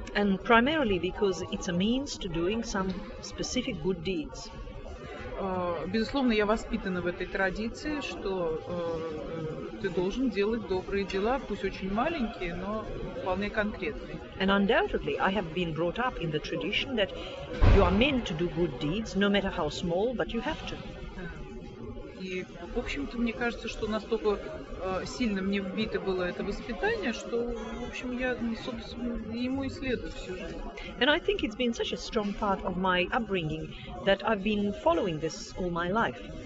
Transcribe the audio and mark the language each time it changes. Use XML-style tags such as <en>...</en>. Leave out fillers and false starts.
<en>And primarily because it's a means to doing some specific good deeds.</en> <ru>Безусловно, я воспитана в этой традиции, что ты должен делать добрые дела, пусть очень маленькие, но вполне конкретные.</ru> <en>And undoubtedly, I have been brought up in the tradition that you are meant to do good deeds, no matter how small, but you have to.</en> <ru>И, в общем-то, мне кажется, что настолько сильно мне вбито было это воспитание, что, в общем, я, собственно, ему и следую всю жизнь.</ru> <en>And I think it's been such a strong part of my upbringing that I've been following this all my life.</en>